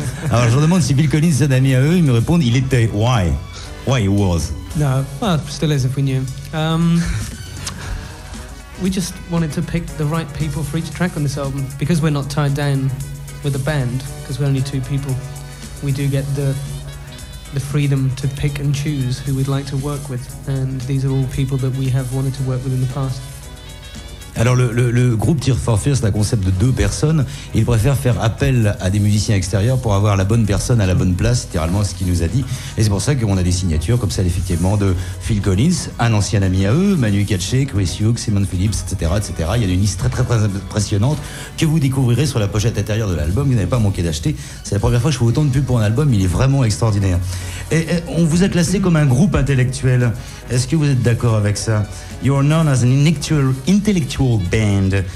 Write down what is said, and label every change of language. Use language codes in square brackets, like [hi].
[fr] Alors je leur demande si Bill Collins est un ami à eux, ils me répondent il était. [en] Why he was? No, well, still is if we knew. We just wanted to pick the right people for each track on this album. Because we're not tied down with a band, because we're only two people, we do get the freedom to pick and choose who we'd like to work with. And these are all people that we have wanted to work with in the past. [fr] Alors le groupe Tears for Fears, c'est un concept de deux personnes. Il préfère faire appel à des musiciens extérieurs pour avoir la bonne personne à la bonne place, littéralement ce qu'il nous a dit. Et c'est pour ça qu'on a des signatures comme celle effectivement de Phil Collins, un ancien ami à eux, Manu Katché, Chris Hughes, Simon Phillips, etc., etc. Il y a une liste très très très impressionnante que vous découvrirez sur la pochette intérieure de l'album, vous n'avez pas manqué d'acheter. C'est la première fois que je fais autant de pubs pour un album, il est vraiment extraordinaire. Et on vous a classé comme un groupe intellectuel. Est-ce que vous êtes d'accord avec ça? [en] You are known as an intellectual band.